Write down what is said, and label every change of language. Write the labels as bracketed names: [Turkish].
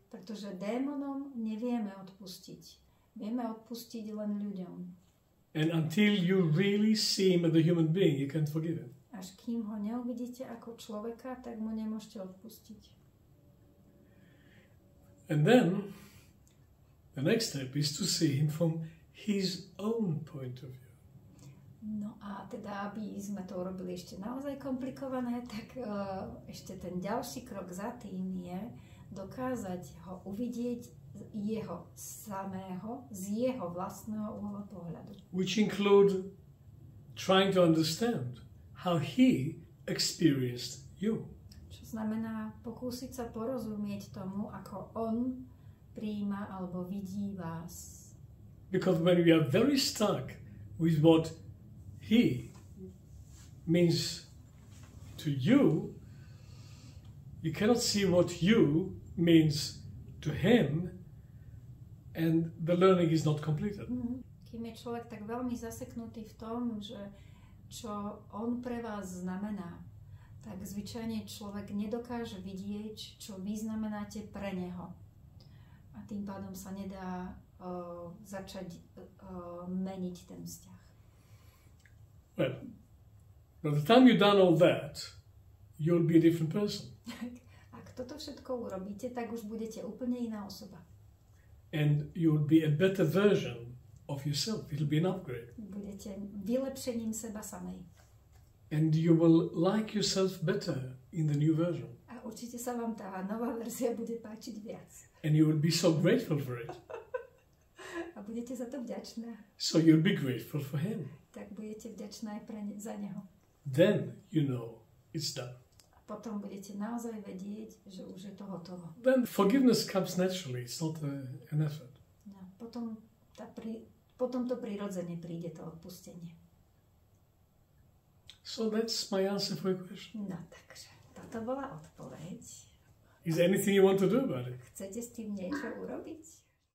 [Slovak] Pretože démonom nevieme odpustiť. Vieme odpustiť len ľuďom. [English] And until you really see him as a human being, you can't forgive him. [Slovak] Až kým ho neuvidíte ako človeka, tak mu nemôžete odpustiť. [English] And then the next step is to see him from his own point of view. [Slovak] No a teda, aby sme to urobili ešte naozaj komplikované, tak ešte ten ďalší krok za tým je dokázať ho uvidieť jeho samého, z jeho vlastného uhla pohľadu. [English] Which include trying to understand how he experienced you. [Slovak] Čo znamená pokúsiť sa porozumieť tomu, ako on prijíma alebo vidí vás. [English] Because when we are very stuck with what he means to you, you cannot see what you means to him, and the learning is not completed. [Slovak] Kým je človek tak veľmi zaseknutý v tom, že čo on pre vás znamená, tak zvyčajne človek nedokáže vidieť, čo vy znamenáte pre neho. A tým pádom sa nedá začať meniť ten vzťah. [English] Well, by the time you've done all that, you'll be a different person. [Slovak] Ak toto všetko urobíte, tak už budete úplne iná osoba. [English] And you'll be a better version of yourself. It'll be an upgrade. [Slovak] Budete vylepšením seba samej. [English] And you will like yourself better in the new version. [Slovak] A určite sa vám tá nová verzia bude páčiť viac. [English] And you will be so grateful for it. [Slovak] A budete za to vďačná. [English] So you'll be grateful for him. [Slovak] Tak budete vďačná aj pre za neho. [English] Then you know it's done. [Slovak] A potom budete naozaj vedieť, že už je to hotovo. [English] Then forgiveness comes naturally, it's not an effort. [Slovak] No, potom, potom to prirodzene príde, to odpustenie. [English] So that's my answer for your question. [Slovak] No takže, toto bola odpoveď. [English] Is there anything you want to do about it? [Slovak] Chcete s tým niečo urobiť?